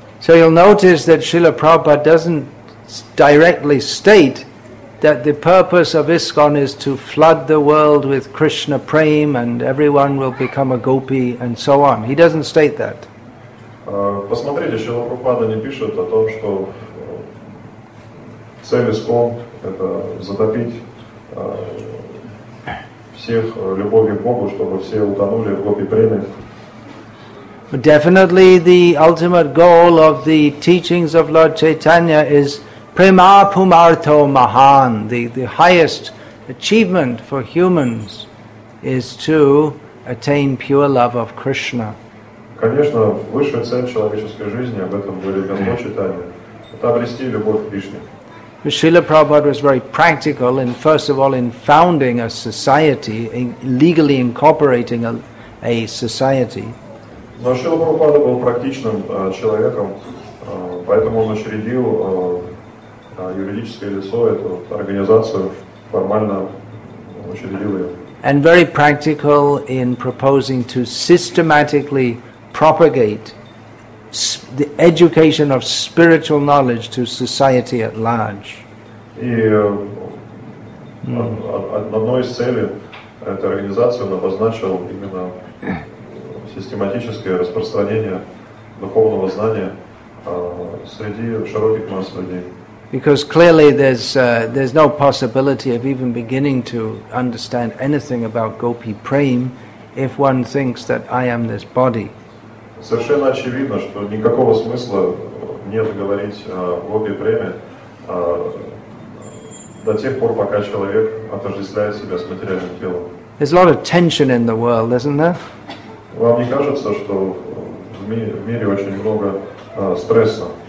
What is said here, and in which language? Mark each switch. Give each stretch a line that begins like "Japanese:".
English: So you'll notice that Srila Prabhupada doesn't directly state that the purpose of ISKCON is to flood the world with Krishna Prem and everyone will become a gopi and so on. He doesn't state that.
Russian: Посмотрите, Шрила Прабхупада не пишет о том, что цель ISKCON это затопить всех любовью к Богу, чтобы все утонули в гопи преме.
English: Definitely the ultimate goal of the teachings of Lord Chaitanya is Prema Pumartho Mahan, the highest achievement for humans is to attain pure love of Krishna.
Russian: Конечно, высшая цель человеческой жизни, об этом говорит Господь Читание, это обрести любовь к Кришне.
English: Srila Prabhupada was very practical in, first of all, in founding a society, in legally incorporating a society.
Russian: Но Шрила Прабхупада был практичным человеком, поэтому он учредил юридическое лицо, эту организацию, формально учредил ее.
English: And very practical in proposing to systematically propagate the education of spiritual knowledge to society at large.
Russian: И одной из целей этой организации он обозначил именно систематическое распространение духовного знания среди широких масс людей.
English: Because clearly there's no possibility of even beginning to understand anything about Gopi Prem if one thinks that I am this body.
Russian: Совершенно очевидно, что никакого смысла нет говорить о Гопи Преме до тех пор, пока человек отождествляет себя с материальным телом.
English: There's a lot of tension in the world, isn't there?
Russian: Вам не кажется, что в мире очень много стресса?